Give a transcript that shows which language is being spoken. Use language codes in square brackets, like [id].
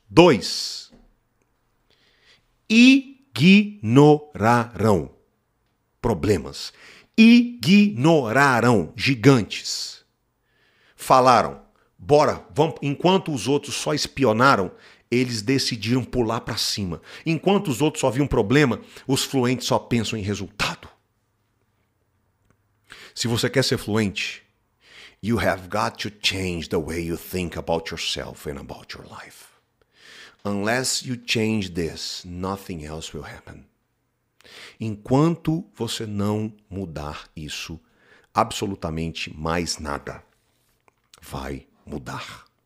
[pt] 2 ignoraram problemas, ignoraram gigantes, falaram, bora, vamos. Enquanto os outros só espionaram, eles decidiram pular para cima, enquanto os outros só viam problema, os fluentes só pensam em resultado. Se você quer ser fluente, [en] you have got to change the way you think about yourself and about your life. Unless you change this, nothing else will happen. [pt] Enquanto você não mudar isso, absolutamente mais nada vai mudar.